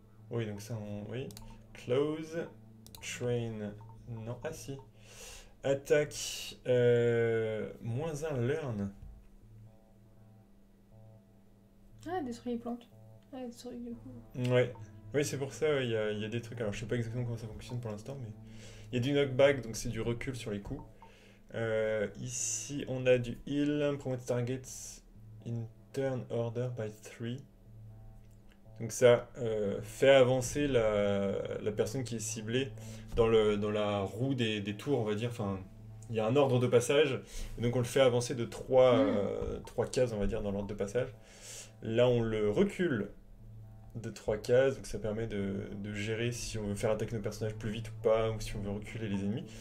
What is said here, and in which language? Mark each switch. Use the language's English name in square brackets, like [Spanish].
[French] Oui, donc ça, on... Oui. Close. Train. Non, ah si. Attaque. Moins un learn. Ah, détruit les plantes. Ah, détruit du coup. Ouais. Oui, c'est pour ça, il y a des trucs. Alors, je sais pas exactement comment ça fonctionne pour l'instant, mais... Il y a du knockback, donc c'est du recul sur les coups. Ici, on a du heal, [English] promote targets in turn order by 3. [French] Donc ça fait avancer la personne qui est ciblée dans la roue des tours, on va dire. Enfin, il y a un ordre de passage, et donc on le fait avancer de 3 cases, on va dire, dans l'ordre de passage. Là, on le recule de 3 cases, donc ça permet de gérer si on veut faire attaquer nos personnages plus vite ou pas, ou si on veut reculer les ennemis.